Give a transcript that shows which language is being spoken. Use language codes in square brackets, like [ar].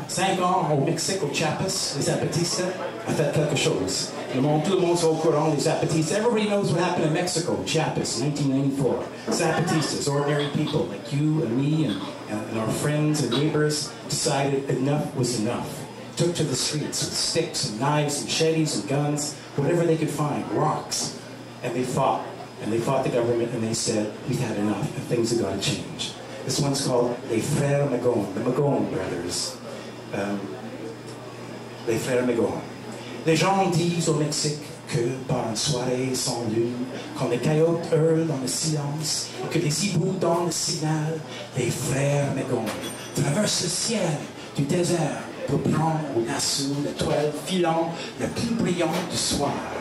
[fr] 5 ans au Mexique, au Chiapas, les Zapatistas ont fait quelque chose. Le monde, tout le monde est au courant des Zapatistas. [en] Everybody knows what happened in Mexico, Chiapas, 1994. Zapatistas, ordinary people like you and me and our friends and neighbors decided enough was enough. Took to the streets with sticks and knives and machetes and guns, whatever they could find, rocks. And they fought. And they fought the government and they said, we've had enough and things have got to change. This one's called Les Frères Magon, the Magon Brothers. [fr] Les Frères Magon. Les gens disent au Mexique que par une soirée sans lune, quand les coyotes hurlent dans le silence, et que les hiboux dans le signal, les Frères Magon traversent le ciel du désert pour prendre au lasso l'étoile filant la plus brillante du soir.